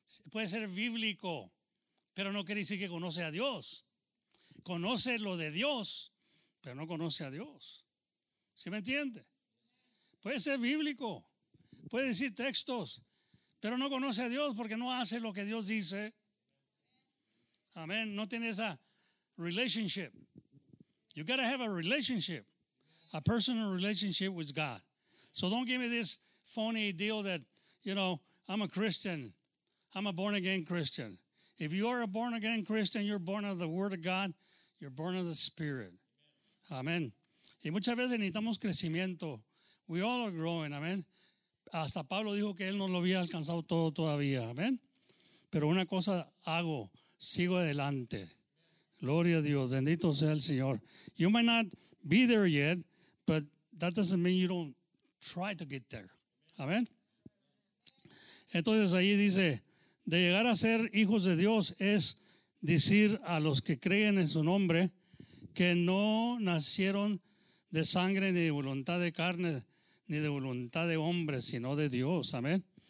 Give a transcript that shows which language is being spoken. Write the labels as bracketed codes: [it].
[es] Puede ser bíblico, pero no quiere decir que conoce a Dios. Conoce lo de Dios, pero no conoce a Dios. ¿Sí me entiende? Puede ser bíblico, puede decir textos, pero no conoce a Dios porque no hace lo que Dios dice. Amén. No tiene esa relationship. [en] You gotta have a relationship, a personal relationship with God. So don't give me this phony deal that, you know, I'm a Christian. I'm a born again Christian. If you are a born again Christian, you're born of the Word of God. You're born of the Spirit. [es] Amén. Y muchas veces necesitamos crecimiento. [en] We all are growing, amén. [es] Hasta Pablo dijo que él no lo había alcanzado todo todavía, amén. Pero una cosa hago, sigo adelante. Gloria a Dios, bendito sea el Señor. [en] You might not be there yet, but that doesn't mean you don't try to get there. [es] Amén. Entonces ahí dice, de llegar a ser hijos de Dios es decir a los que creen en su nombre que no nacieron de sangre ni de voluntad de carne ni de voluntad de hombre, sino de Dios. Amén.